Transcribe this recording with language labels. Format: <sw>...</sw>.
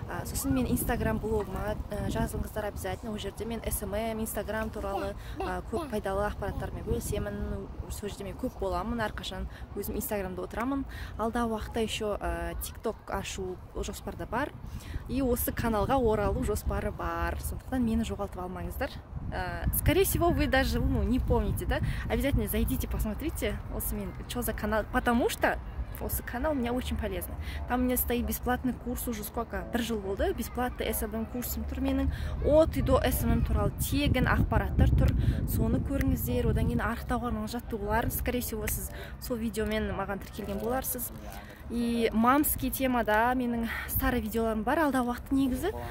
<kk>Сосын мен инстаграм блогыма жазылыңыздар обязательно. Ол жерде мен смм инстаграм туралы көп пайдалы ақпараттармен бөлісемін. Сол жерде мен көп боламын, әрқашан өзім инстаграмда отырамын. Алдағы уақытта еще тикток ашу жоспарда бар и осы каналға оралу жоспары бар. Сондықтан мені жоғалтып алмаңыздар.</kk> <ru>Скорее всего, вы даже не помните, да? Обязательно зайдите, посмотрите, осымен, что за канал. Потому что осы канал у меня очень полезный. Там у меня стоит бесплатный курс уже сколько?</ru> <kk>Бір жыл болды,</kk> <ru>бесплатный</ru> <kk>SMM курсым тұр менің.</kk> <ru>От и до</ru> <kk>SMM турал тегін ақпараттар тұр. Соны көріңіздер, одан кейін арықтауға арналған жаттығулар.</kk> <ru>Скорее всего,</ru> <kk>сіз сол видеомен маған тіркелген боларсыз.</kk> <ru>И мамский тема, да,</ru> <kk>менің старый видеоларым бар, алдағы уақытта негізі.</kk>